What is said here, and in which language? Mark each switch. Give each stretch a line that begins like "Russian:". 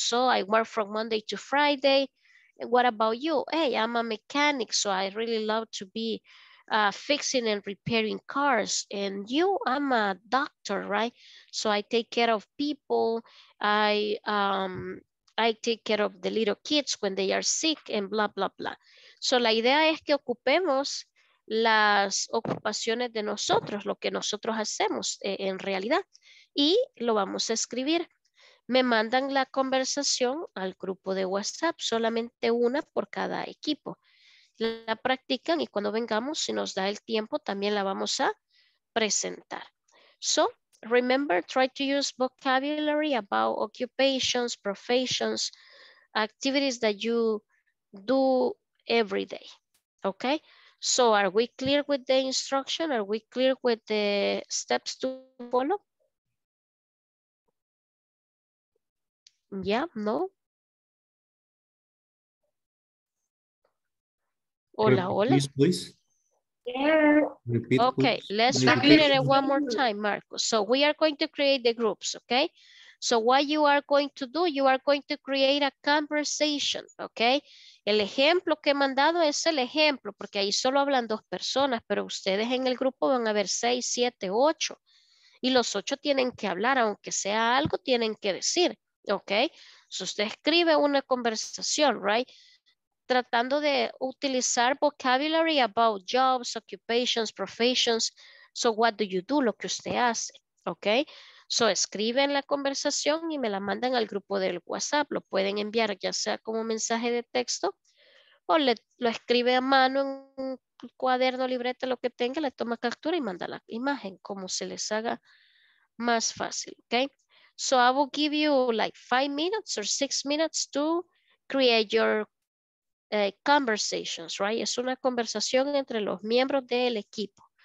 English: So I work from Monday to Friday. What about you? Hey, I'm a mechanic. So I really love to be fixing and repairing cars. And you, I'm a doctor, right? So I take care of people. I take care of the little kids when they are sick and blah, blah, blah.
Spanish: So la idea es que ocupemos las ocupaciones de nosotros, lo que nosotros hacemos en realidad. Y lo vamos a escribir. Me mandan la conversación al grupo de WhatsApp, solamente una por cada equipo. La practican y cuando vengamos, si nos da el tiempo, también la vamos a presentar.
English: So, remember, try to use vocabulary about occupations, professions, activities that you do every day. Okay? So, are we clear with the instruction? Are we clear with the steps to follow? Yeah, no.
Spanish: Hola, hola.
English: Please, please. Yeah. Repeat, okay, please. Let's repeat it one more time, Marcos. So we are going to create the groups, okay? So what you are going to do, you are going to create a conversation, okay?
Spanish: El ejemplo que he mandado es el ejemplo, porque ahí solo hablan dos personas, pero ustedes en el grupo van a ver 6, 7, 8. Y los 8 tienen que hablar, aunque sea algo, tienen que decir. Ok, so usted escribe una conversación, right? Tratando de utilizar
English: vocabulary about jobs, occupations, professions. So what do you do?
Spanish: Lo que usted hace. Ok, so escriben la conversación y me la mandan al grupo del WhatsApp. Lo pueden enviar ya sea como mensaje de texto o le, lo escribe a mano en un cuaderno, libreta, lo que tenga, le toma captura y manda la imagen, como se les haga más fácil. Ok.
English: So I will give you like 5 minutes or 6 minutes to create your conversations, right?
Spanish: Es una conversación entre los miembros del equipo.